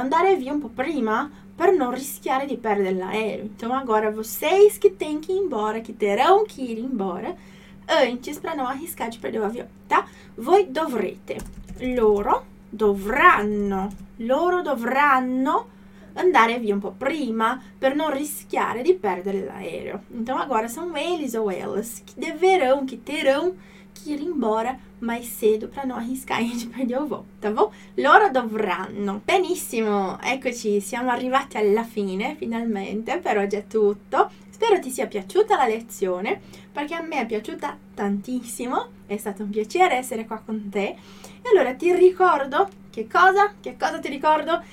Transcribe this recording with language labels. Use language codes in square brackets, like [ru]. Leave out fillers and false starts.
[it] Andare via un po' prima per non rischiare di perdere l'aereo. [pt] Então, agora vocês que têm que ir embora, que terão que ir embora, antes para não arriscar de perder o avião, tá? [it] Voi dovrete. Loro dovranno andare via un po' prima per non rischiare di perdere l'aereo. [pt] Então, agora são eles ou elas que deverão, que terão que ir embora mais cedo para não arriscar de perder o voo, tá bom? [it] Loro dovranno. Benissimo, eccoci, siamo arrivati alla fine, finalmente, per oggi è tutto. Spero ti sia piaciuta la lezione, perché a me è piaciuta tantissimo, è stato un piacere essere qua con te. E allora ti ricordo, che cosa ti ricordo?